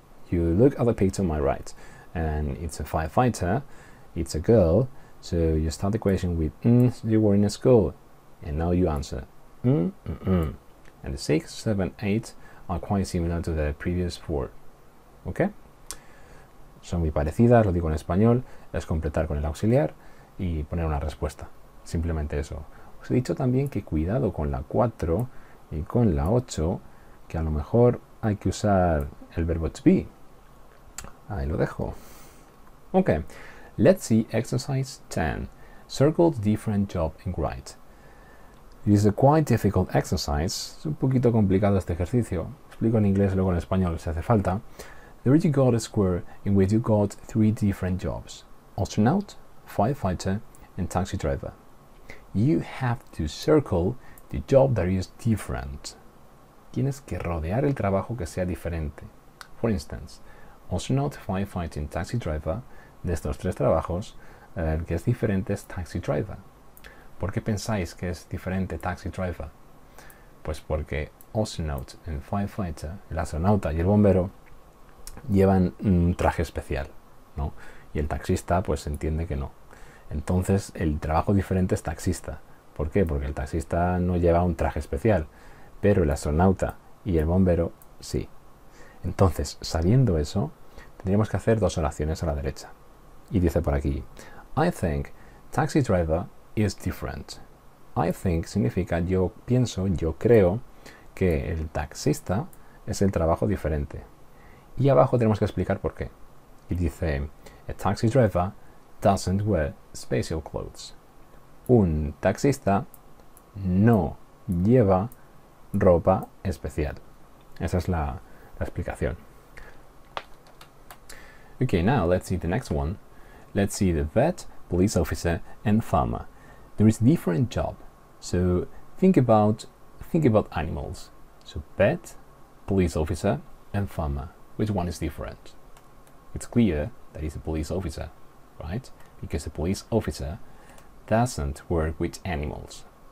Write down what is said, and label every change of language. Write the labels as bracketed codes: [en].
[en] You look at the picture on my right, and it's a firefighter, it's a girl. So you start the question with, you were in a school. And now you answer, And the six, seven, eight are quite similar to the previous four. Okay? [es] Son muy parecidas, lo digo en español, es completar con el auxiliar y poner una respuesta. Simplemente eso. Os he dicho también que cuidado con la 4 y con la 8, que a lo mejor hay que usar el verbo to be. Ahí lo dejo. [en] Ok, let's see exercise 10. Circle different job and write. It is a quite difficult exercise. [es] Es un poquito complicado este ejercicio. Explico en inglés y luego en español si hace falta. [en] There you got a square in which you got three different jobs. Astronaut, firefighter, and taxi driver. You have to circle the job that is different. [es] Tienes que rodear el trabajo que sea diferente. [en] For instance, astronaut, firefighter, and taxi driver. [es] De estos tres trabajos, el que es diferente es taxi driver. ¿Por qué pensáis que es diferente taxi driver? Pues porque [en] astronaut and firefighter, [es] el astronauta y el bombero, llevan un traje especial, ¿no? Y el taxista pues entiende que no. Entonces el trabajo diferente es taxista. ¿Por qué? Porque el taxista no lleva un traje especial, pero el astronauta y el bombero sí. Entonces, sabiendo eso, tendríamos que hacer dos oraciones a la derecha. Y dice por aquí, [en] I think taxi driver is different. I think [es] significa yo pienso, yo creo que el taxista es el trabajo diferente. Y abajo tenemos que explicar por qué. Y dice, [en] a taxi driver doesn't wear special clothes. [es] Un taxista no lleva ropa especial. Esa es la explicación. [en] Okay, now let's see the next one. Let's see the vet, police officer, and farmer. There is different job. So think about animals. So vet, police officer, and farmer. Which one is different? It's clear that it's a police officer, right? Because a police officer doesn't work with animals.